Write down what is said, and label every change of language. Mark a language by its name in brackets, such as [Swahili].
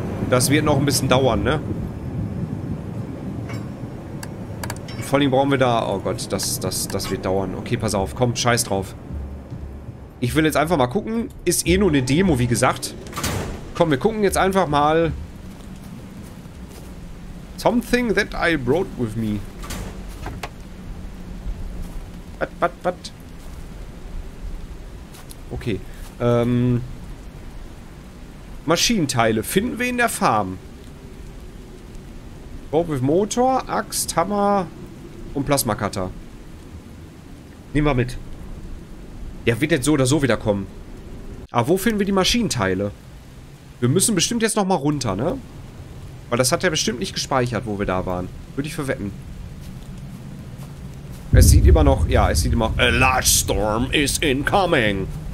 [German] Das wird noch ein bisschen dauern, ne? Und vor allem brauchen wir da... Oh Gott, das wird dauern. Okay, pass auf. Komm, scheiß drauf. Ich will jetzt einfach mal gucken. Ist eh nur eine Demo, wie gesagt. Komm, wir gucken jetzt einfach mal... [English] Something that I brought with me. What? Okay. [German] Maschinenteile. Finden wir in der Farm. Rope with Motor, Axt, Hammer und Plasma-Cutter. Nehmen wir mit. Der wird jetzt so oder so wiederkommen. Aber wo finden wir die Maschinenteile? Wir müssen bestimmt jetzt nochmal runter, ne? Weil das hat er bestimmt nicht gespeichert, wo wir da waren. Würde ich verwetten. Es sieht immer noch... Ja, es sieht immer... [English] A large storm is incoming.